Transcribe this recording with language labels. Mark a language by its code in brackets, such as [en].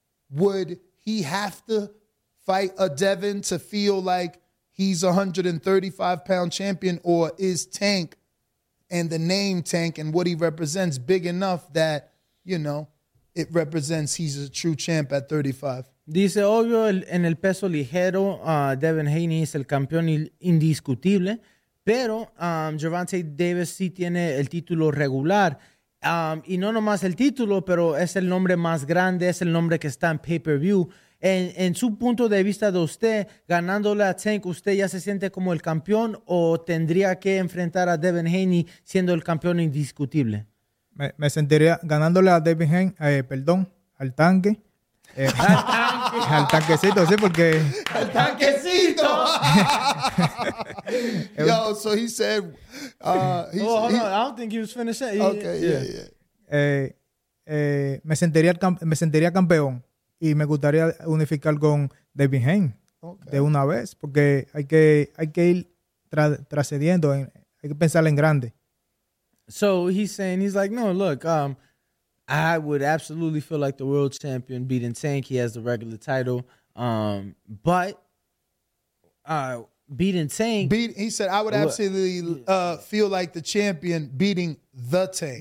[en] Would he have to fight a Devin to feel like he's a 135-pound champion, or is Tank and the name Tank and what he represents big enough that, you know, it represents he's a true champ at 35? [es] Dice, obvio, en el peso ligero, Devin Haney es el campeón indiscutible, pero Gervonta Davis sí tiene el título regular. Y no nomás el título, pero es el nombre más grande, es el nombre que está en pay-per-view. En su punto de vista de usted, ganándole a Tank, ¿usted ya se siente como el campeón o tendría que enfrentar a Devin Haney siendo el campeón indiscutible? Me sentiría ganándole a Devin Haney, al tanque. Al tanque. Al tanquecito, sí, porque... ¡Al tanquecito! [en] Yo, so he said... I don't think he was finished. Okay, yeah. [es] Me sentiría campeón. Y me gustaría unificar con Devin Haney de una vez, porque hay que ir trascediendo, hay que pensar en grande. [en] So he's saying, he's like, no, look, I would absolutely feel like the world champion beating Tank. He has the regular title. He said, I would absolutely feel like the champion beating the Tank.